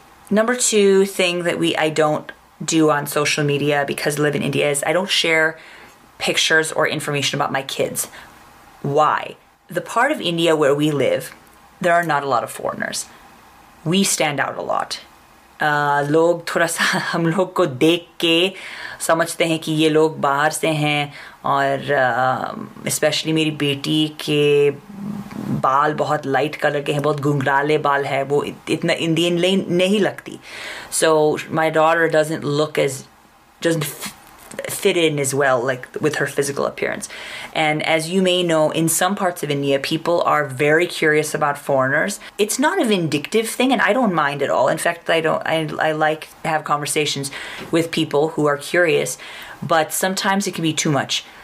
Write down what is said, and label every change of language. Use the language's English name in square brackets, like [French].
[English] Number two thing that I don't do on social media because I live in India is I don't share pictures or information about my kids. Why? The part of India where we live, there are not a lot of foreigners. We stand out a lot. [Hindi] लोग थोड़ा सा हम लोग को देख के समझते हैं कि ये लोग बाहर से हैं, और especially मेरी बेटी के बाल बहुत light color के हैं, बहुत घुंघराले बाल है, वो इतना Indian नहीं लगती. [English] So my daughter doesn't fit in as well, like, with her physical appearance. And as you may know, in some parts of India, people are very curious about foreigners. It's not a vindictive thing, and I don't mind at all. In fact, I like to have conversations with people who are curious, but sometimes it can be too much.